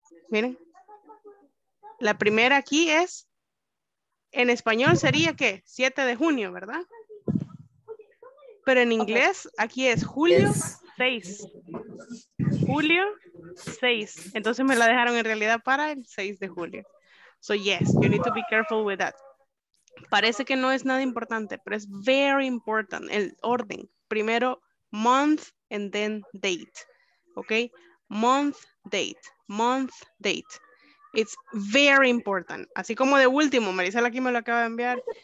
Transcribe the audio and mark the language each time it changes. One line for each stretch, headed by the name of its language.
Spanish: Miren, la primera aquí es, en español sería ¿qué? 7 de junio, ¿verdad? Pero en inglés, okay, aquí es julio,
English: yes,
Spanish: 6. Julio 6. Entonces me la dejaron en realidad para el 6 de julio.
English: So yes, you need to be careful with that.
Spanish: Parece que no es nada importante, pero es
English: very important
Spanish: el orden. Primero
English: month and then date. Okay? Month, date. Month, date. It's very important.
Spanish: Así como de último, Marisela aquí me lo acaba de enviar.